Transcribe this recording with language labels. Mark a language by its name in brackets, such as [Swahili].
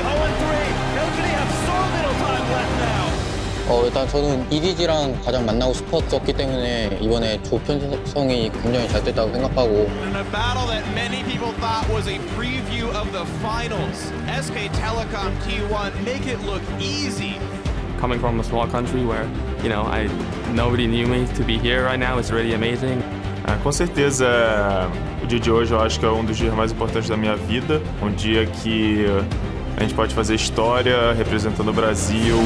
[English] How can he have so little time left now? [Korean] 일단 저는 EDG랑 가장 만나고 싶었기 때문에 이번에 조 편성이 굉장히 잘 됐다고 생각하고. [English] In a battle that many people thought was a preview of the finals, SK Telecom T1 make it look easy. Coming from a small country where, you know, nobody knew me to be here right now is really amazing. [Portuguese] Com certeza, o dia de hoje eu acho que é um dos dias mais importantes da minha vida. Um dia que a gente pode fazer história representando o Brasil.